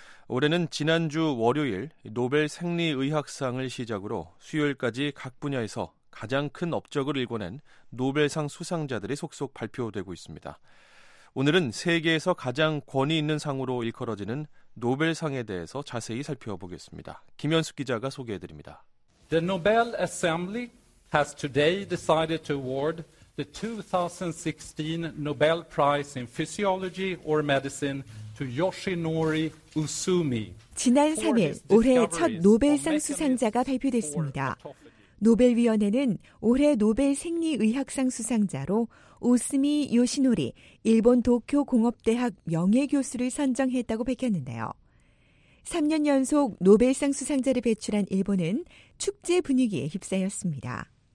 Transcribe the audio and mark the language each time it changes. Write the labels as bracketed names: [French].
[Korean] 올해는 지난주 월요일 노벨 생리의학상을 시작으로 수요일까지 각 분야에서 가장 큰 업적을 일궈낸 노벨상 수상자들이 속속 발표되고 있습니다. 오늘은 세계에서 가장 권위 있는 상으로 일컬어지는 노벨상에 대해서 자세히 살펴보겠습니다. 김현숙 기자가 소개해드립니다. [English] The Nobel Assembly has today decided to award the 2016 Nobel Prize in Physiology or Medicine to Yoshinori Uzumi. [Korean] 지난 3일 올해 첫 노벨상 수상자가 발표됐습니다. 노벨위원회는 올해 노벨 생리의학상 수상자로 우스미 요시노리 일본 도쿄공업대학 명예교수를 선정했다고 밝혔는데요. 3년 연속 노벨상 수상자를 배출한 일본은 축제 분위기에 휩싸였습니다.